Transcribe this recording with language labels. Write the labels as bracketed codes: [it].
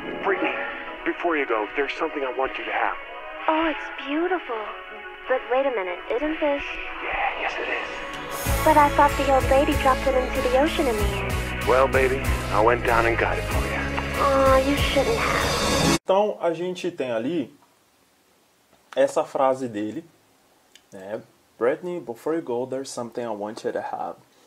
[en] Brittany, before you go, there's something I want you to have. Oh, it's beautiful. But wait a minute, isn't this... Yeah, yes it is. But I thought the old lady dropped it into the ocean in the air. Well, baby, I went down and got it for you. Oh, you shouldn't have. [pt] Então, a gente tem ali essa frase dele, né? [en] Brittany, before you go, there's something I want you to have.